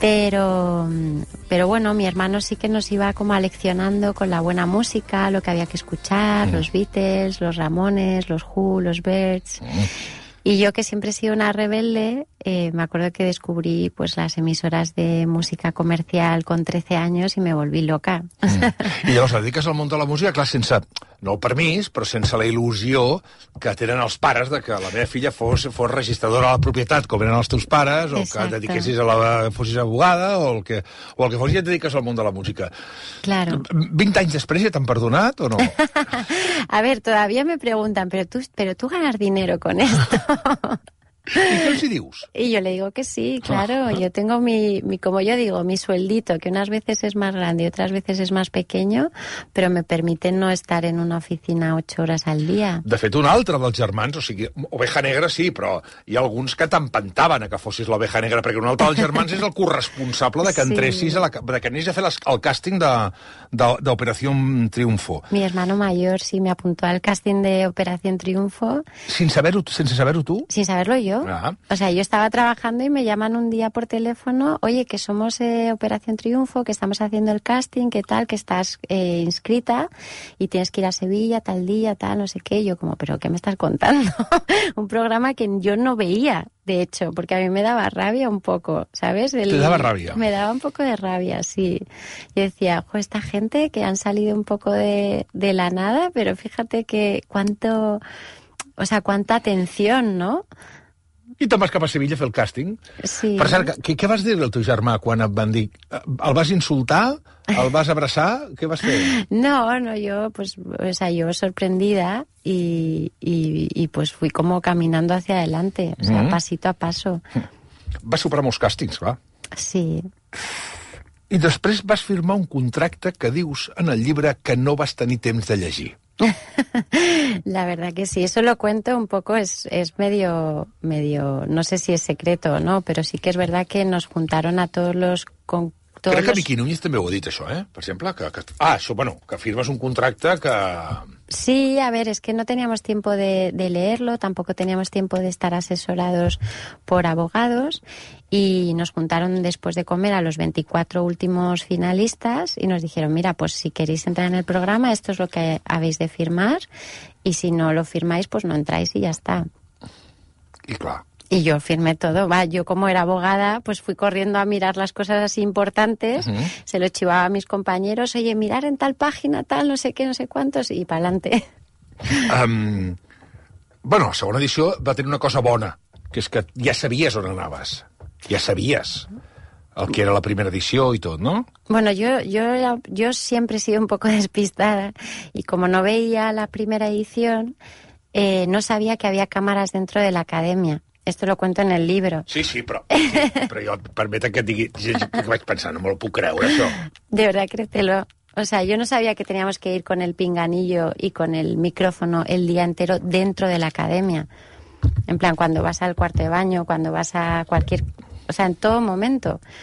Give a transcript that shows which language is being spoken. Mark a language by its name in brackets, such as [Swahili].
[Spanish] Pero bueno, mi hermano sí que nos iba como aleccionando con la buena música, lo que había que escuchar, los Beatles, los Ramones, los Who, los Birds... Y yo, que siempre he sido una rebelde, me acuerdo que descubrí pues las emisoras de música comercial con 13 años y me volví loca. [Catalan] I llavors dediques al món de la música, clar, sense, no el permís, però sense la il·lusió que tenen els pares de que la meva filla fos registradora de la propietat, com eren els teus pares, o exacte, que dediquessis a la... fossis abogada, o el que fos, ja et dediques al món de la música. [Spanish] Claro. [Catalan] 20 anys després ja t'han perdonat, o no? [Spanish] A ver, todavía me preguntan, pero tú ganas dinero con esto. [Catalan] ¿Y qué os dius? [Spanish] Y yo le digo que sí, claro. Yo tengo mi, como yo digo, mi sueldito, que unas veces es más grande y otras veces es más pequeño, pero me permite no estar en una oficina 8 hores al día. [Catalan] De fet, un altre dels germans, o sigui, oveja negra sí, però hi ha alguns que t'empentaven a que fossis l'oveja negra, perquè un altre dels germans és el corresponsable de que entressis, de que anés a fer el càsting d'Operación Triunfo. [Spanish] Mi hermano mayor sí me apuntó al càsting d'Operación Triunfo. Sin saber-ho tú? Sin saberlo yo. O sea, yo estaba trabajando y me llaman un día por teléfono, oye, que somos Operación Triunfo, que estamos haciendo el casting, qué tal, que estás inscrita y tienes que ir a Sevilla tal día, tal, no sé qué. Yo como, ¿pero qué me estás contando? Un programa que yo no veía, de hecho, porque a mí me daba rabia un poco, ¿sabes? ¿Te daba rabia? Me daba un poco de rabia, sí. Yo decía, ojo, esta gente que han salido un poco de la nada, pero fíjate que cuánto, o sea, cuánta atención, ¿no? [Catalan] I te'n vas cap a Sevilla a fer el càsting? Sí. Per cert, què vas dir al teu germà quan et van dir... El vas insultar? El vas abraçar? Què vas fer? [Spanish] No, jo, pues, o sea, yo sorprendida y pues fui como caminando hacia adelante, o sea, pasito a paso. [Catalan] Vas superar molts càstings, clar. Sí. I després vas firmar un contracte que dius en el llibre que no vas tenir temps de llegir. [Spanish] La verdad que sí, eso lo cuento un poco, es medio, no sé si es secreto o no, pero sí que es verdad que nos juntaron a todos los... [Catalan] Crec que Miqui Núñez també ho ha dit, això, per exemple, que firmes un contracte que... [Spanish] Sí, a ver, es que no teníamos tiempo de leerlo, tampoco teníamos tiempo de estar asesorados por abogados, y nos juntaron después de comer a los 24 últimos finalistas y nos dijeron, mira, pues si queréis entrar en el programa, esto es lo que habéis de firmar, y si no lo firmáis, pues no entráis y ya está. Y claro. Y yo firmé todo. Va, yo como era abogada, pues fui corriendo a mirar las cosas así importantes. Uh-huh. Se lo chivaba a mis compañeros. Oye, mirar en tal página, tal, no sé qué, no sé cuántos. Y pa'lante. [Catalan] Bueno, la segona edició va tenir una cosa bona. Que és que ja sabies on anaves. Ja sabies. El que era la primera edició i tot, no? [Spanish] Bueno, yo siempre he sido un poco despistada. Y como no veía la primera edición, no sabía que había cámaras dentro de la academia. Esto lo cuento en el libro. [Catalan] Sí, sí, però jo, permeta'm que et digui, que vaig pensar, no me lo puc creure, això. [Spanish] De verdad, créetelo. O sea, yo no sabía que teníamos que ir con el pinganillo y con el micrófono el día entero dentro de la academia. En plan, cuando vas al cuarto de baño, cuando vas a cualquier... O sea, en todo momento.